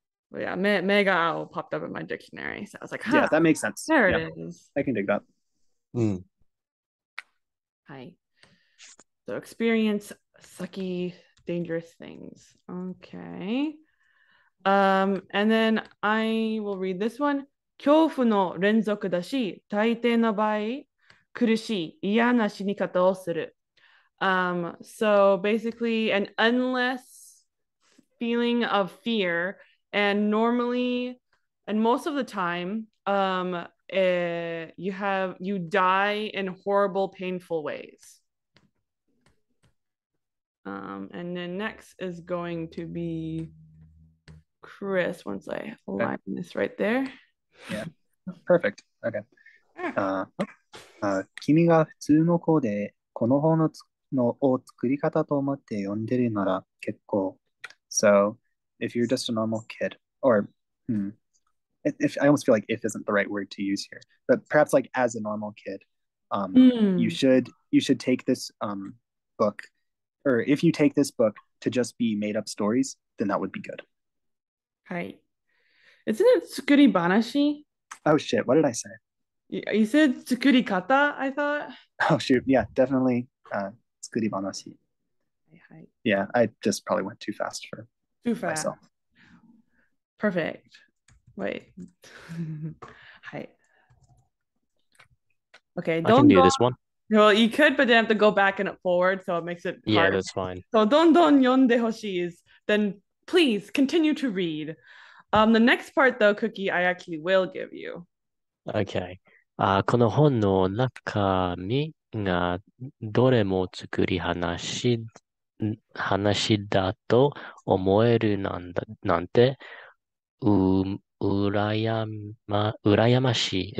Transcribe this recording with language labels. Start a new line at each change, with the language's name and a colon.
English: But yeah, mega ao popped up in my dictionary. So I was like, yeah, that makes sense. There it is. I can dig that. Hi. So experience sucky, dangerous things. Okay. And then I will read this one.
Japanese: 恐怖の連続だし、大抵の場合、苦しい、嫌な死に方をする。
English: So basically, an endless feeling of fear, and normally, and most of the time, you die in horrible, painful ways. And then next is going to be Chris, once I align this right there. Yeah, perfect. Okay.
Japanese: 君が普通の子でこの本のを作り方と思って読んでるなら結構。
English: So, if you're just a normal kid, or if I almost feel like if isn't the right word to use here, but perhaps like as a normal kid, you should take this book, or if you take this book to just be made up stories, then that would be good. Hi. Isn't it tsukuri banashi? Oh shit, what did I say? You said tsukuri kata, I thought. Oh shoot, yeah, definitely tsukuri banashi. Hi, hi. Yeah, I just probably went too fast for too fast. Myself. Perfect. Wait. Hi. Okay, don't I can do this one. Well, you could, but then have to go back and forward, so it makes it hard. Yeah, that's fine. So
Japanese: don yonde hoshi
English: is, then please continue to read. The next part, though, Cookie, I actually will give you. Okay.
Japanese: この本の中身がどれも作り話だと思えるなんて、うらやましい。